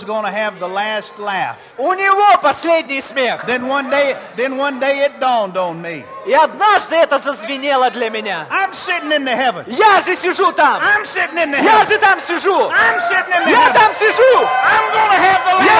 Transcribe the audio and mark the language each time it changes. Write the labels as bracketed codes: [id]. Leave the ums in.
[en] gonna have the last laugh. [ru] У Него последний смех. [en] Then one day, then one day it dawned on me. [ru] И однажды это зазвенело для меня. [en] I'm sitting in the heaven. [ru] Я же сижу там. [en] I'm sitting in the heaven. [ru] Я же там сижу. [en] I'm sitting in the heaven. [ru] Я там сижу. [en] I'm gonna have the last laugh.